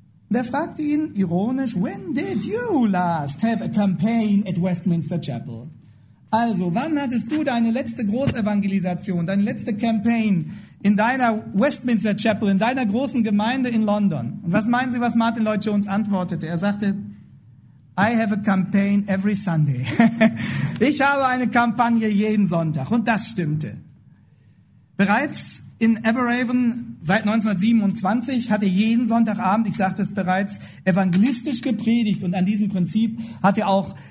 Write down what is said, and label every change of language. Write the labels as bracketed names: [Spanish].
[German] Und er fragte ihn ironisch, [English] when did you last have a campaign at Westminster Chapel? [German] Also, wann hattest du deine letzte Großevangelisation, deine letzte Campaign in deiner Westminster Chapel, in deiner großen Gemeinde in London? Und was meinen Sie, was Martin Lloyd-Jones antwortete? Er sagte, [English] I have a campaign every Sunday. [German] Ich habe eine Kampagne jeden Sonntag. Und das stimmte. Bereits in Aberavon seit 1927 hat er jeden Sonntagabend, ich sagte es bereits, evangelistisch gepredigt. Und an diesem Prinzip hat er auch